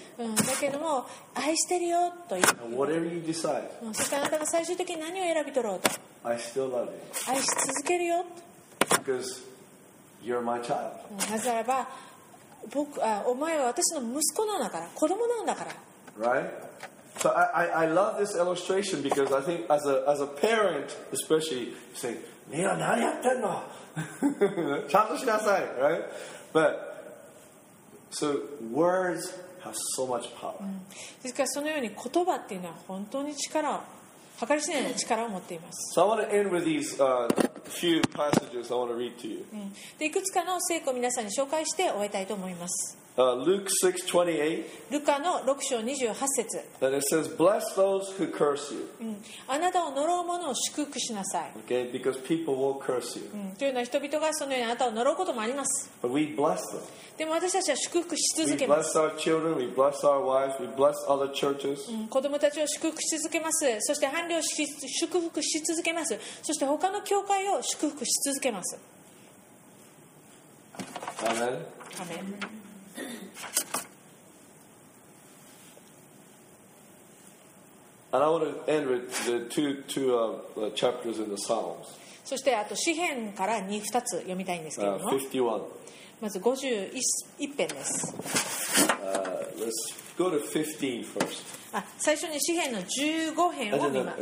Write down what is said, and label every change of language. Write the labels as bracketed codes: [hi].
[ja] だけども愛してるよと言う。 [en] And whatever you decide. [ja] そしてあなたが最終的に何を選び取ろうと。 [en] I still love you. [ja] 愛し続けるよ。 [en] Because you're my child. [ja] なぜならば僕あお前は私の息子なんだから子供なんだから。 [en] Right? So I love this illustration because I think as a parent, especially say. [ja] ねえ、何やってんの？ちゃんとしなさい、 [en] right? But so words have so much power. [ja] ですからそのように言葉っていうのは本当に力を、計り知れない力を持っています。 [en] So I want to end with these few passages I want to read to you. [ja] でいくつかの聖句を皆さんに紹介して終えたいと思います。 [en] Luke 6:28. [ja] ルカの6章28節。 [en] Then it says, "Bless those who curse you." [ja] あなたを呪う者を祝福しなさい。 [en] Okay, because people will curse you. [ja] というのは人々がそのようにあなたを呪うこともあります。 [en] But we bless them. [ja] でも私たちは祝福し続けます。 [en] We bless our children. We bless our wives. We bless other churches. [ja] 子供たちを祝福し続けます。そして伴侶を祝福し続けます。そして他の教会を祝福し続けます。 [en] Amen. Amen. And I want to end with the two chapters in the Psalms. [ja] そしてあと詩篇から2つ読みたいんですけども。まず51篇です。 [en] Let's go to 15 first. [ja] 最初に詩篇の15篇を見ます。